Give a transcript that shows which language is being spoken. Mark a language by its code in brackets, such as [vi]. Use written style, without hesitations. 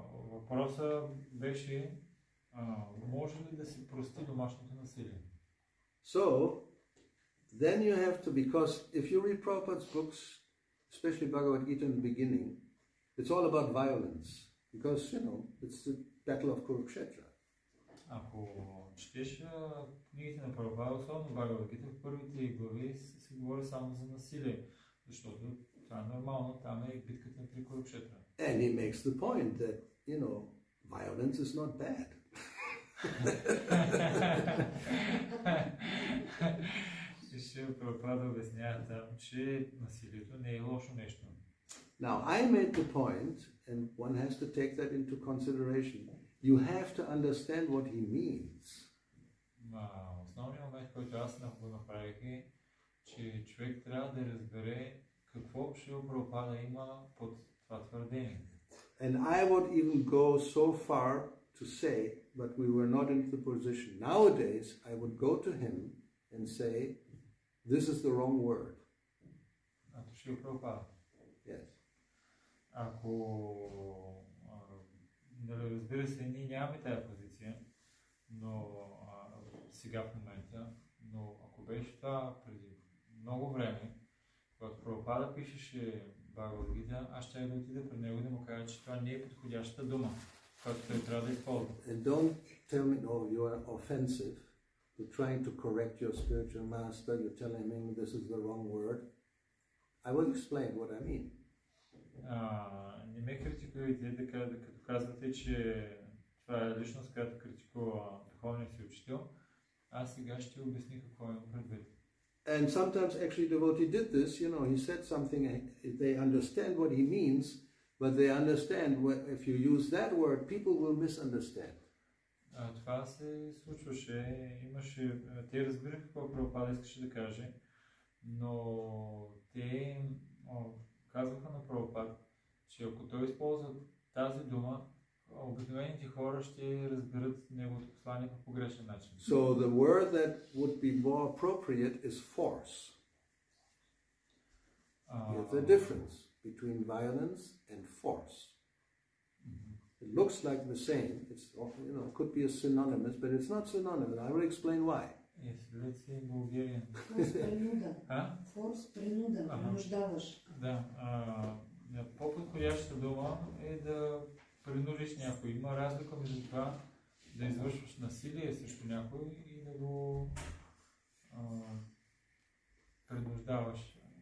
[bg] Въпросът беше, може ли да се прости домашното насилие? [en] So, then you have to, because if you read Prabhupada's books, especially Bhagavad Gita in the beginning, it's all about violence. Because, you know, it's the battle of Kurukshetra. [bg] Ако четеш книгите на Прабхупада, особено Бхагавад Гита, в първите глави се говори само за насилие, защото това е нормално, там е битката при Курукшетра. [en] And he makes the point that, you know, violence is not bad. [bg] И ще Прабхупада обяснява там, че насилието не е лошо нещо. [en] Now, I made the point, and one has to take that into consideration, you have to understand what he means. [bg] Основният момент, който аз го направих е, че човек трябва да разбере какво Шрила Прабхупада има под това твърдение. [en] And I would even go so far to say, but we were not in the position. Nowadays, I would go to him and say, this is the wrong word. [bg] Ако Шрила Прабхупада? [en] Yes. [bg] Ако... Нали, разбира се, ние нямаме тази позиция, но сега в момента, но ако беше това преди много време, когато Прабхупада пишеше Бхагавад Гита, аз ще да отида пред него да му кажа, че това не е подходящата дума, която той трябва да използва. [en] And don't tell me, oh, you are offensive. You're trying to correct your spiritual master, you're telling him this is the wrong word. I will explain what I mean. [bg] Не ме критикувайте, като казвате, че това е личност, която критикува духовния си учител. Аз сега ще обясня какво имам предвид. [en] And sometimes actually devotee did this, you know, he said something, they understand what he means, but they understand what, if you use that word, people will misunderstand. [bg] Това се случваше, имаше, те разбира какво Прабхупада искаше да каже, но те казваха на Прабхупада, че ако той използва тази дума, обикновените хора ще разберат неговото послание по погрешен начин. [en] So the word that would be more appropriate is force. It's a difference between violence and force. It looks like the same. It's, you know, could be a synonymous, but it's not synonymous. I will explain why. Yes, let's say Bulgarian. [bg] Force принуда. Force принуда. Нуждаваш. Да. По-подходящата дума е да принудиш някой. Има разлика между това да извършваш насилие срещу някой и да го принуждаваш.